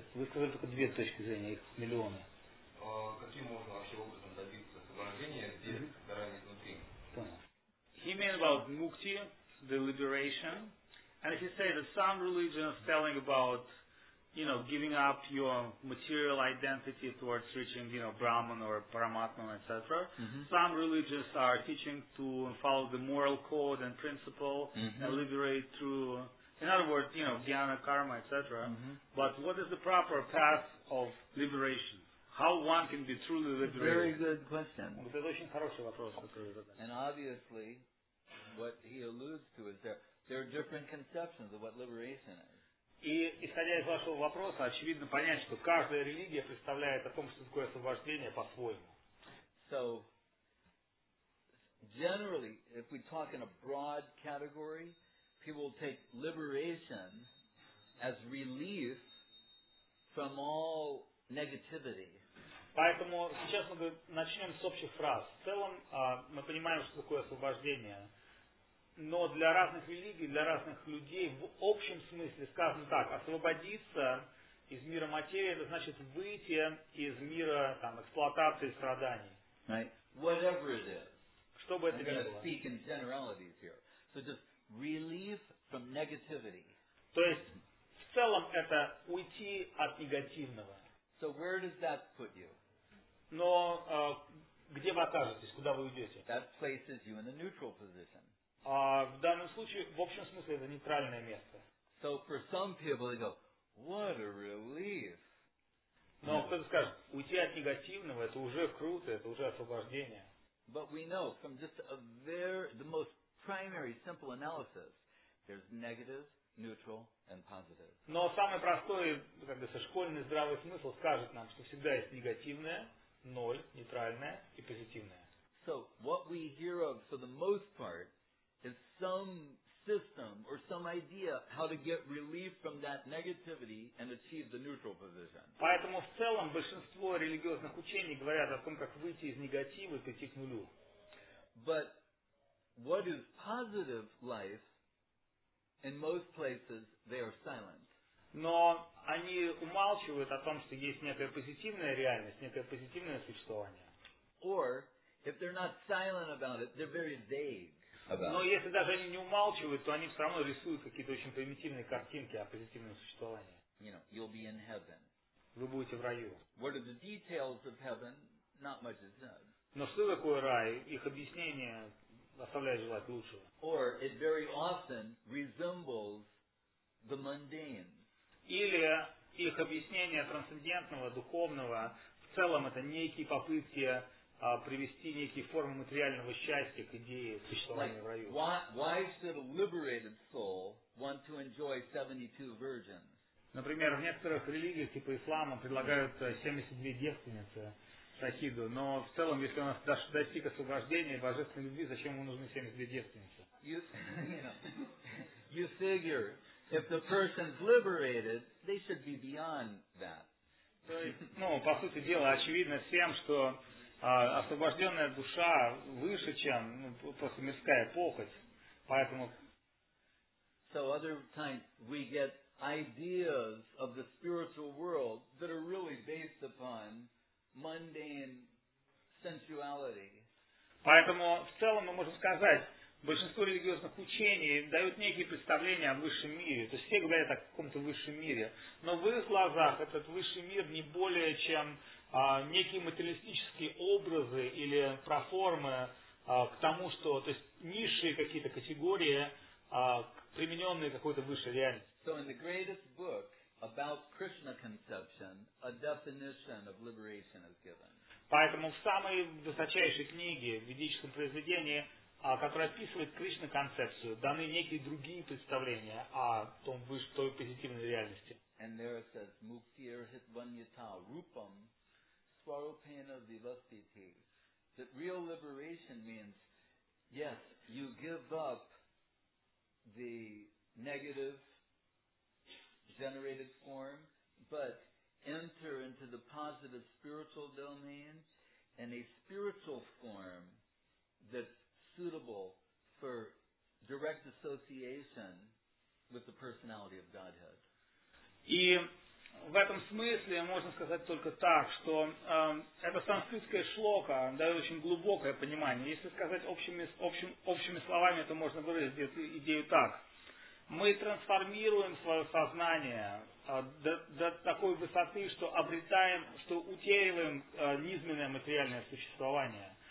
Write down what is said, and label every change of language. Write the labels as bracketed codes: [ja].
[ru] Вы сказали только две точки зрения, их миллионы. Каким можно вообще образом добиться освобождения, где заранее внутри? Понял. [en] He meant about mukti, the liberation, and he said that some religions telling about, you know, giving up your material identity towards reaching, you know, Brahman or Paramatman, etc. Mm-hmm. Some religions are teaching to follow the moral code and principle and liberate through, in other words, you know, jnana, karma, etc. But what is the proper path of liberation? How one can be truly liberated? Very good question. And obviously, what he alludes to is there are different conceptions of what liberation is. [ru] И исходя из вашего вопроса, очевидно понять, что каждая религия представляет о том, что такое освобождение по-своему. [en] So, generally, if we talk in a broad category, people take liberation as relief from all negativity. [ru] Поэтому сейчас мы начнем с общих фраз. В целом, мы понимаем, что такое освобождение. Но для разных религий, для разных людей в общем смысле сказано так: освободиться из мира материи — это значит выйти из мира там эксплуатации, страданий. [en] Right. Whatever it is. [ru] Что бы это ни было. [en] Speak in generalities here. So just relief from negativity. [ru] То есть в целом это уйти от негативного. [en] So where does that put you? [ru] Но где вы окажетесь, куда вы уйдете? [en] That places you in a neutral position. [ru] А в данном случае, в общем смысле, это нейтральное место. [en] So for some people, they go, what a relief. [ru] Но кто-то скажет, уйти от негативного, это уже круто, это уже освобождение. [en] But we know from just the most primary, simple analysis, there's negative, neutral and positive. [ru] Но самый простой, как бы, школьный здравый смысл скажет нам, что всегда есть негативное, ноль, нейтральное и позитивное. [en] So what we hear of, for the most part, is some system or some idea how to get relief from that negativity and achieve the neutral position. [ru] Поэтому в целом большинство религиозных учений говорят о том, как выйти из негатива и прийти к нулю. [en] But what is positive life? In most places, they are silent. [ru] Но они умалчивают о том, что есть некая позитивная реальность, некое позитивное существование. [en] Or if they're not silent about it, they're very vague. [ru] Но если даже они не умалчивают, то они все равно рисуют какие-то очень примитивные картинки о позитивном существовании. [en] You know, you'll be in heaven. [ru] Вы будете в раю. [en] What are the details of heaven? Not much is known. [ru] Но что такое рай? Их объяснение оставляет желать лучшего. [en] Or it very often resembles the mundane. [ru] Или их объяснение трансцендентного, духовного, в целом это некие попытки привести некие формы материального счастья к идее существования в раю. [en] Why should a liberated soul want to enjoy 72 virgins? [ru] Например, в некоторых религиях, типа ислама, предлагают 72 девственницы шахиду, но в целом, если у нас достиг освобождения и божественной любви, зачем ему нужны 72 девственницы? [en] You figure, if the person's liberated, they should be beyond that. [ru] Ну, по сути дела, очевидно всем, что освобожденная душа выше, чем просто мирская похоть, поэтому. [en] So other times we get ideas of the spiritual world that are really based upon mundane sensuality. [ru] Поэтому в целом мы можем сказать, большинство религиозных учений дают некие представления о высшем мире, то есть все говорят о каком-то высшем мире, но в их глазах этот высший мир не более чем некие материалистические образы или проформы к тому, что, то есть низшие какие-то категории, примененные какой-то высшей реальности. [en] So in the greatest book about Krishna conception, a definition of liberation is given. [ru] Поэтому в самой высочайшей книге, в ведическом произведении, которое описывает Кришна концепцию, даны некие другие представления о том высшей, той позитивной реальности. [en] And there it says, [sa] Muktir Hitvanyata Rupam. [en] That real liberation means, yes, you give up the negative generated form, but enter into the positive spiritual domain and a spiritual form that's suitable for direct association with the personality of Godhead. [ru] В этом смысле можно сказать только так, что эта санскритская шлока дает очень глубокое понимание. Если сказать общими словами, то можно выразить эту идею так. Мы трансформируем свое сознание до такой высоты, что обретаем, что утеряем низменное материальное существование.